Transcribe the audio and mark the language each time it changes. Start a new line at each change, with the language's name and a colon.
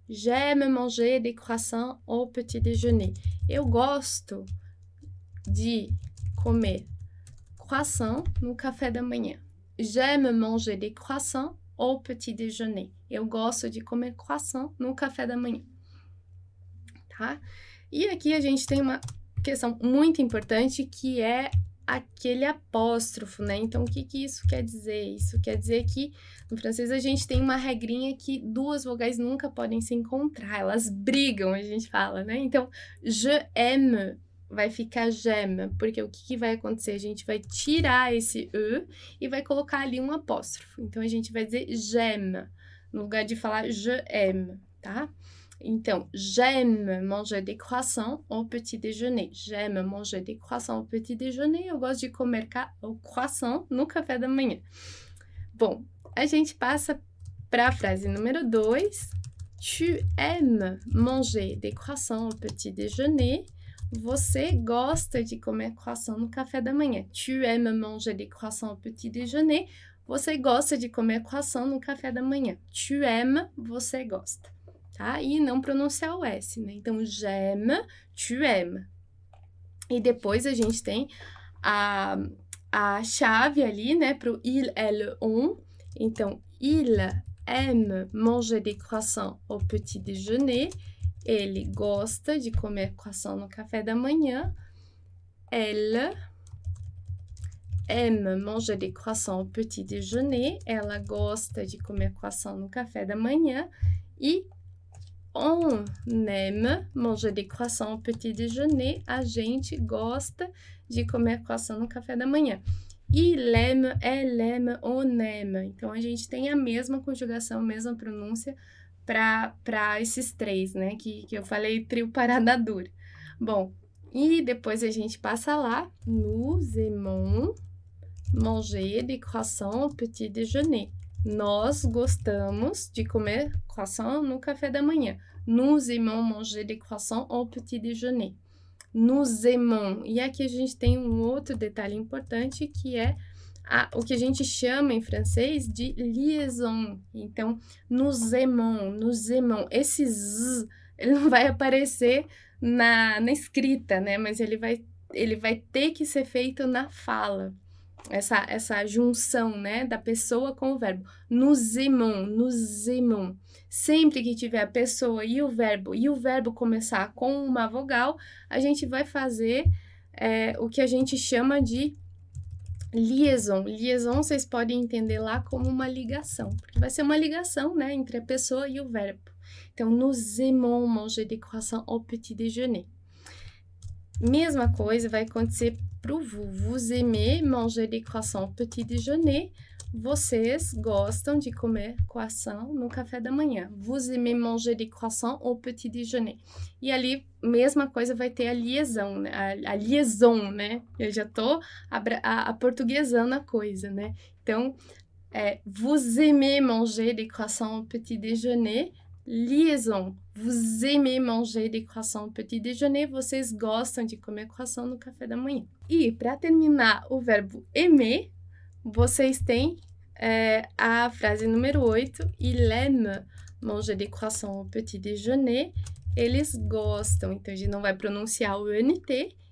French: J'aime manger des croissants au petit déjeuner.
Portuguese: Eu gosto de comer croissant no café da manhã.
French: J'aime manger des croissants au petit déjeuner.
Portuguese: Eu gosto de comer croissant no café da manhã. Tá? E aqui a gente tem uma questão muito importante que é aquele apóstrofo, né? Então, o que que isso quer dizer? Isso quer dizer que no francês a gente tem uma regrinha que duas vogais nunca podem se encontrar, elas brigam, a gente fala, né? Então,
French: je aime
Portuguese: vai ficar
French: j'aime,
Portuguese: porque o que que vai acontecer? A gente vai tirar esse e vai colocar ali um apóstrofo. Então, a gente vai dizer
French: j'aime,
Portuguese: no lugar de falar
French: je aime,
Portuguese: tá?
French: Então, j'aime manger des croissants au petit déjeuner. J'aime manger des croissants au petit déjeuner.
Portuguese: Eu gosto de comer o croissant no café da manhã. Bom, a gente passa para a frase número 2.
French: Tu aimes manger des croissants au petit déjeuner.
Portuguese: Você gosta de comer croissant no café da manhã?
French: Tu aimes manger des croissants au petit déjeuner?
Portuguese: Você gosta de comer croissant no café da manhã?
French: Tu aimes,
Portuguese: você gosta. Tá? E não pronunciar o S, né?
French: Então, j'aime, tu aimes.
Portuguese: E depois a gente tem a chave ali, né, para o il, elle, on.
French: Então, il aime manger des croissants au petit déjeuner.
Portuguese: Ele gosta de comer croissant no café da manhã.
French: Elle aime manger des croissants au petit déjeuner.
Portuguese: Ela gosta de comer croissant no café da manhã.
French: E on aime manger des croissants au petit déjeuner.
Portuguese: A gente gosta de comer croissant no café da manhã.
French: Il aime, elle aime, on aime.
Portuguese: Então a gente tem a mesma conjugação, a mesma pronúncia para esses três, né? Que eu falei trio parada dura. Bom, e depois a gente passa lá.
French: Nous aimons manger des croissants au petit déjeuner.
Portuguese: Nós gostamos de comer croissant no café da manhã.
French: Nous aimons manger des croissants au petit déjeuner. Nous aimons.
Portuguese: E aqui a gente tem um outro detalhe importante que é o que a gente chama em francês de liaison. Então,
French: nous aimons, nous aimons.
Portuguese: Esse z, ele não vai aparecer na escrita, né? Mas ele vai ter que ser feito na fala. Essa junção, né, da pessoa com o verbo.
French: Nous aimons, nous aimons.
Portuguese: Sempre que tiver a pessoa e o verbo começar com uma vogal, a gente vai fazer o que a gente chama de liaison. Liaison vocês podem entender lá como uma ligação, porque vai ser uma ligação, né, entre a pessoa e o verbo.
French: Então, nous aimons manger des croissants au petit déjeuner.
Portuguese: Mesma coisa vai acontecer para o vous.
French: Vous aimez manger des croissants au petit déjeuner.
Portuguese: Vocês gostam de comer croissant no café da manhã.
French: Vous aimez manger des croissants au petit déjeuner.
Portuguese: E ali, mesma coisa, vai ter a liaison, né? A liaison, né? Eu já estou a portuguesando a coisa, né?
French: Então, vous aimez manger des croissants au petit déjeuner. Liaison. Vous aimez manger des croissants au petit déjeuner.
Portuguese: Vocês gostam de comer croissant no café da manhã. E para terminar o verbo aimer, vocês têm a frase número 8.
French: Il aime manger des croissants au petit déjeuner.
Portuguese: Eles gostam. Então a gente não vai pronunciar o NT.